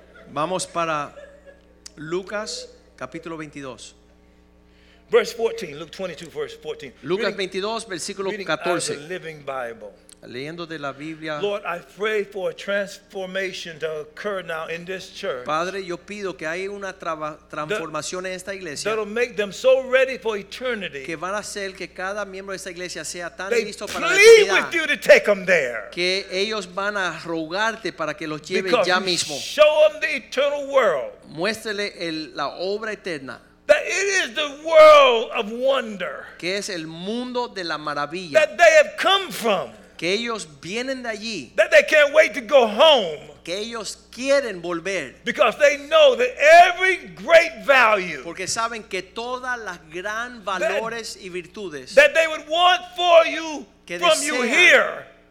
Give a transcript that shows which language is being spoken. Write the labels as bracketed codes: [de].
[es] Vamos para Lucas capítulo 22. [en] Verse 14. Luke 22 verse 14. [es] Lucas 22 versículo 14. [en] The Living Bible. [es] leyendo de la Biblia. [en] Lord, I pray for a transformation to occur now in this church. [es] Padre, yo pido que haya una transformación en esta iglesia. [en] That will make them so ready for eternity. [es] Que van a hacer que cada miembro de esta iglesia sea tan listo para la eternidad. [en] They plead with you to take them there. [es] Que ellos van a rogarte para que los lleve ya mismo. [en] Because show them the eternal world. [es] Muéstrele la obra eterna. [en] That it is the world of wonder. [es] Que es el mundo de la maravilla. [en] That they have come from. [es] Que ellos vienen de allí. [en] That they can't wait to go home. [es] Que ellos quieren volver. [en] Because they know that every great value. [es] Porque saben que todas las gran valores y virtudes. [en] That they would want for you from you here.